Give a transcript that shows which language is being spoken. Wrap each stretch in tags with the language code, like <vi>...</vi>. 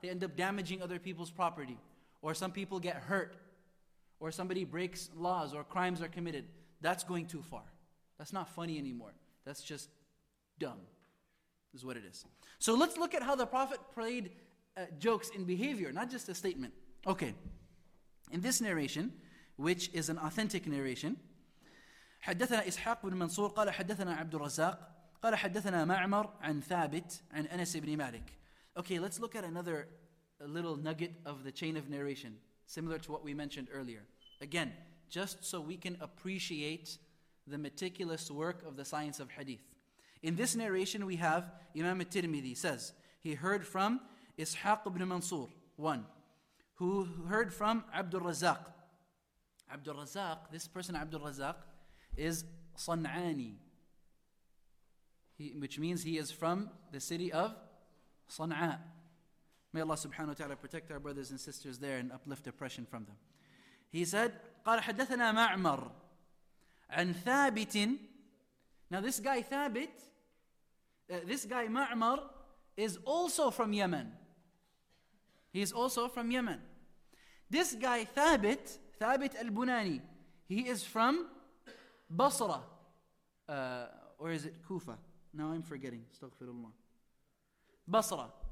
<en>They end up damaging other people's property. Or some people get hurt. Or somebody breaks laws or crimes are committed. That's going too far. That's not funny anymore. That's just dumb, is what it is. So let's look at how the Prophet played jokes in behavior, not just a statement. Okay. In this narration, which is an authentic narration,</en> <ar>حدثنا إسحاق بن منصور قال حدثنا عبد الرزاق قال حدثنا معمر عن ثابت عن أنس بن مالك.</ar> <en>Okay, let's look at another little nugget of the chain of narration, similar to what we mentioned earlier. Again, just so we can appreciate the meticulous work of the science of hadith. In this narration we have Imam al-Tirmidhi says, he heard from Ishaq ibn Mansur, one, who heard from Abdul Razak. Abdul Razak, this person Abdul Razak, is Sun'ani, which means he is from the city of Sun'a. May Allah subhanahu wa ta'ala protect our brothers and sisters there and uplift oppression from them. He said,</en> <ar>قال حدثنا معمر عن ثابت.</ar> <en>Now this guy ثابت, this guy معمر is also from Yemen. He is also from Yemen. This guy ثابت, ثابت البناني, he is from Basra. Or is it Kufa? Now I'm forgetting. Astaghfirullah. Basra.</en>